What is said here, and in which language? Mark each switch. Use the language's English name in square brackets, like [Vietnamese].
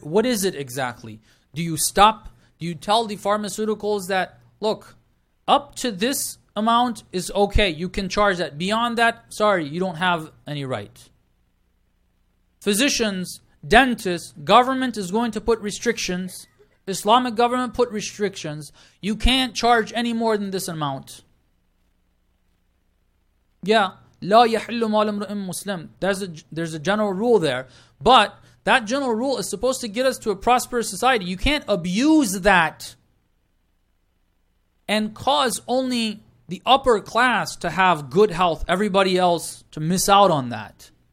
[English] What is it exactly? Do you stop? Do you tell the pharmaceuticals that, look, up to this amount is okay. You can charge that. Beyond that, sorry, you don't have any right. Physicians, dentists, government is going to put restrictions. Islamic government put restrictions. You can't charge any more than this amount. [Arabic] Yeah, لا يحل مال امرئ مسلم. [English] There's a general rule there. But that general rule is supposed to get us to a prosperous society. You can't abuse that and cause only the upper class to have good health, everybody else to miss out on that.